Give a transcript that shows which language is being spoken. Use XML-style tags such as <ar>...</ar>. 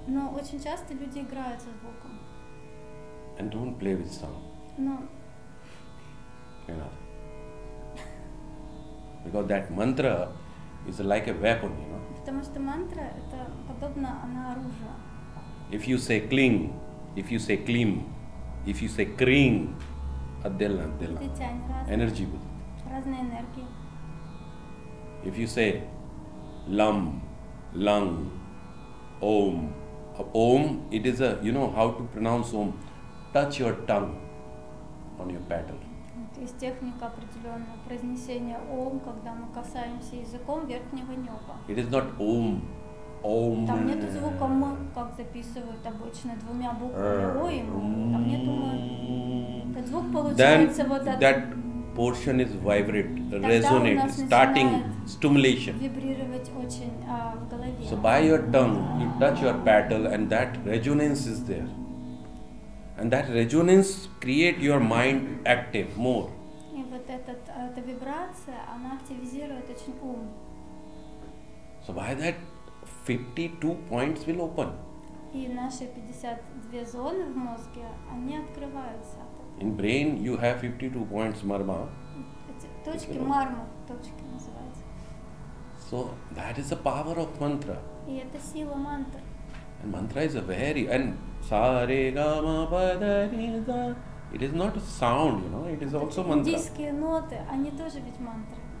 <ru>Но очень часто люди играют со звуком.</ru> <en>And don't play with sound.</en> <ru>Но</ru> <en>you know, because that mantra is like a weapon, you know.</en> <ru>Потому что мантра это подобно она оружию.</ru> <en>If you say cling, if you say clim, if you say cring,</en> <ru>отдельно, отдельно. Ты тянешь разные. Energy будет. Разные энергии.</ru> <en>If you say lam, lung, om, om, it is a, you know how to pronounce om. Touch your tongue on your paddle.</en> <ru>Есть техника определенного произнесения ом, когда мы касаемся языком верхнего неба.</ru> <en>It is not ом, ом.</en> <ru>Там нету звука м, как записывают обычно двумя буквами о и м. Там нету м. Это звук получается вот этот.</ru> <en>That portion is vibrate, resonate, starting stimulation.</en> <ru>Вибрировать очень в голове.</ru> <en>So by your tongue, you touch your paddle, and that resonance is there. And that resonance create your mind active more.</en> <ru>И вот эта вибрация, она активизирует очень ум.</ru> <en>So by that, 52 points will open.</en> <ru>И наши 52 зоны в мозге, они открываются.</ru> <en>In brain, you have 52 points, marma.</en> <ru>Точки марма, точки называются.</ru> <en>So that is the power of mantra.</en> <ru>И это сила мантры.</ru> <en>And mantra is a very and sare ga ma pa da ri da. It is not a sound, you know. It is also mantra.</en> <ru>Индийские ноты, они тоже ведь мантры.</ru>